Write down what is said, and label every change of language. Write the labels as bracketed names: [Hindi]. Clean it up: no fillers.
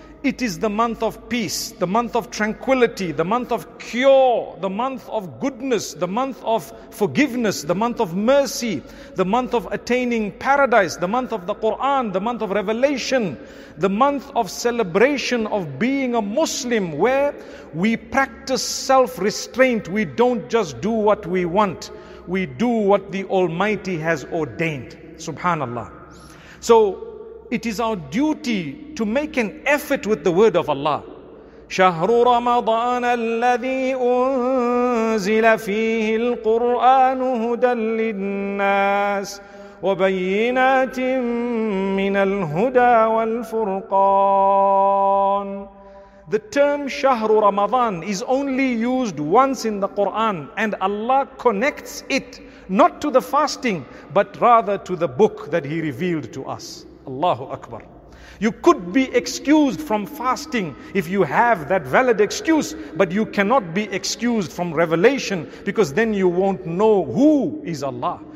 [English] It is the month of peace, the month of tranquility, the month of cure, the month of goodness, the month of forgiveness, the month of mercy, the month of attaining paradise, the month of the Quran, the month of revelation, the month of celebration of being a Muslim, where we practice self-restraint. We don't just do what we want. We do what the Almighty has ordained. Subhanallah. So, it is our duty to make an effort with the word of Allah. [Arabic] شهر رمضان الذي أنزل فيه القرآن هدى للناس وبينات من الهدى والفرقان. [English] The term شهر رمضان is only used once in the Quran, and Allah connects it not to the fasting, but rather to the book that He revealed to us. Allahu Akbar. You could be excused from fasting if you have that valid excuse, but you cannot be excused from revelation, because then you won't know who is Allah.